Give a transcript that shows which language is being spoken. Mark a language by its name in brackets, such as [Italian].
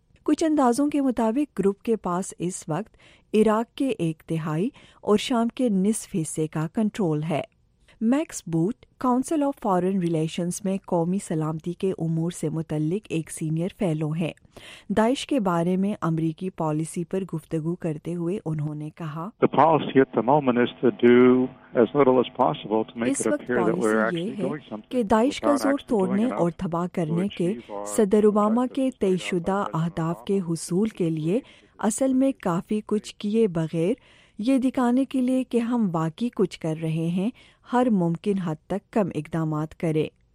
[Urdu] کچھ اندازوں کے مطابق گروپ کے پاس اس وقت عراق کے ایک تہائی اور شام کے نصف حصے کا کنٹرول ہے۔ Max boat council of foreign relations میں قومی سلامتی کے امور سے متعلق ایک سینئر فیلو ہیں۔ داعش کے بارے میں امریکی پالیسی پر گفتگو کرتے ہوئے انہوں نے کہا، [English] The policy at the moment is to do as little as possible to make it appear that we're actually doing something [Urdu] کہ داعش کا زور توڑنے اور تباہ کرنے کے صدر اوباما کے طے شدہ اہداف کے حصول کے لیے اصل میں کافی کچھ کیے بغیر یہ دکھانے کے لیے کہ ہم واقعی کچھ کر رہے ہیں ہر ممکن حد تک کم اقدامات کرے۔